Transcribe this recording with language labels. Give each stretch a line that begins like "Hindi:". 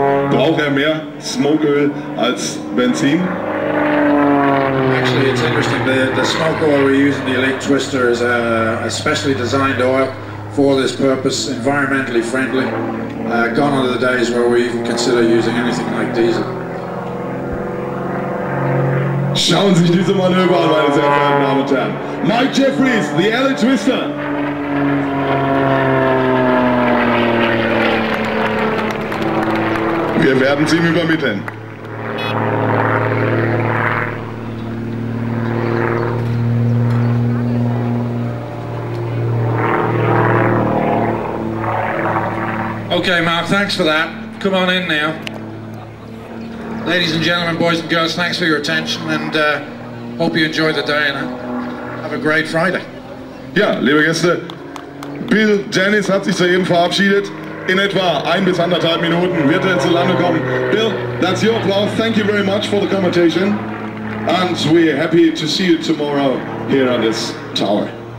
German: Braucht mehr smoke oil als Benzin?
English: Actually, it's interesting. The smoke oil we use in the Elite Twister is a specially designed oil for this purpose, environmentally friendly. Gone are the days where we even consider using anything like diesel.
German: Schauen Sie sich diese Manöver an, meine sehr verehrten Damen und Herren.
English: Mike Jeffries, the Elite Twister.
German: Wir werden es ihm übermitteln.
English: Okay, Mark, thanks for that. Come on in now. Ladies and gentlemen, boys and girls, thanks for your attention and hope you enjoy the day and have a great Friday.
German: Ja, liebe Gäste, Bill Dennis hat sich soeben verabschiedet. In etwa 1 bis 1.5 Minuten wird zu Lande kommen.
English: Bill, that's your applause. Thank you very much for the commentation. And we're happy to see you tomorrow here on this tower.